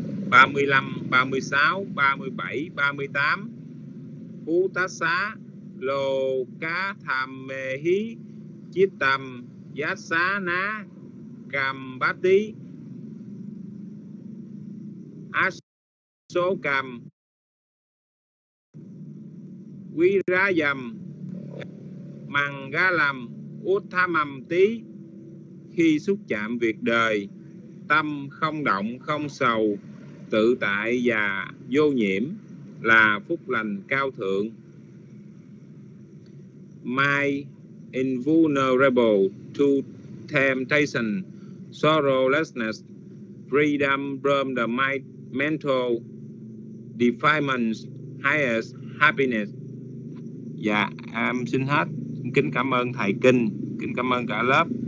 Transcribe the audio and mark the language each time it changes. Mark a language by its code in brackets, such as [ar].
[pi] 35, 36, 37, 38 Uttassa Lokathammehi Chittam Yassana Kambati Asokam Virayam Mangalam Uttamamti. [vi] Khi xúc chạm việc đời, tâm không động, không sầu, tự tại và vô nhiễm là phúc lành cao thượng. [en] My invulnerable to temptation, sorrowlessness, freedom from the mental defilements, highest happiness. [vi] Dạ, em xin hết. Kính cảm ơn thầy Kinh, kính cảm ơn cả lớp.